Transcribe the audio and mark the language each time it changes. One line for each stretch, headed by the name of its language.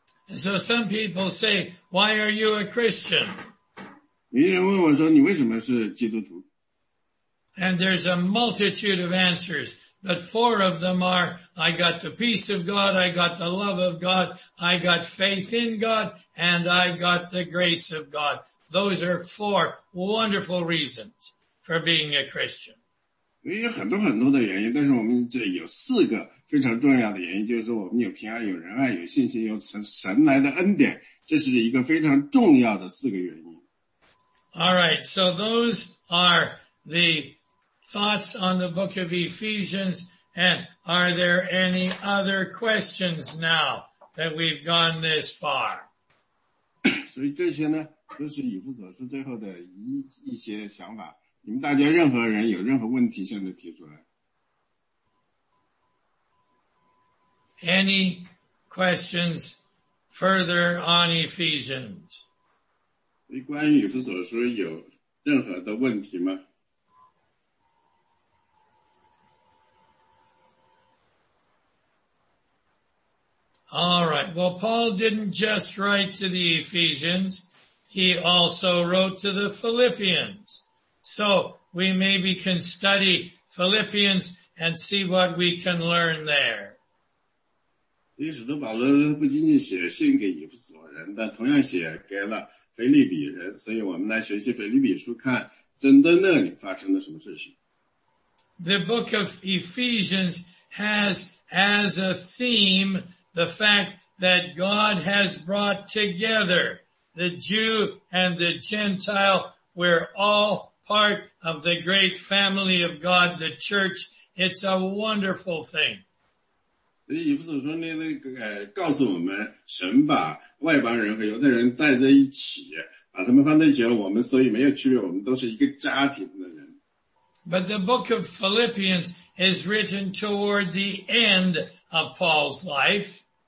English: So some people say, why are you a Christian?
Chinese: 有人问我说，你为什么是基督徒？
English: And there's a multitude of answers, but four of them are, I got the peace of God, I got the love of God, I got faith in God, and I got the grace of God. Those are four wonderful reasons for being a Christian.
Chinese: 有很多很多的原因，但是我们这有四个。非常重要的原因就是我们有平安有仁爱有信心有神来的恩典这是一个非常重要的四个原因。
English: Alright, so those are the thoughts on the book of Ephesians and are there any other questions now that we've gone this far?
Chinese: 所以这些呢都是以弗所书最后的一些想法你们大家任何人有任何问题现在提出来。
English: Any questions further on Ephesians?
Chinese: 关于以弗所书有任何的问题吗？
English: All right. Well, Paul didn't just write to the Ephesians. He also wrote to the Philippians. So we maybe can study Philippians and see what we can learn there.
Chinese: 因为使徒保罗不仅仅写信给以弗所人，但同样写给了腓立比人，所以我们来学习腓立比书，看真的那里发生了什么事情。
English: The book of Ephesians has as a theme the fact that God has brought together the Jew and the Gentile. We're all part of the great family of God, the church. It's a wonderful thing.
Chinese: 所以以弗所书呢，告诉我们，神把外邦人和犹太人带在一起，把他们放在一起，我们所以没有区别，我们都是一个家庭的人。
English: But the book of Philippians is written toward the end of Paul's life.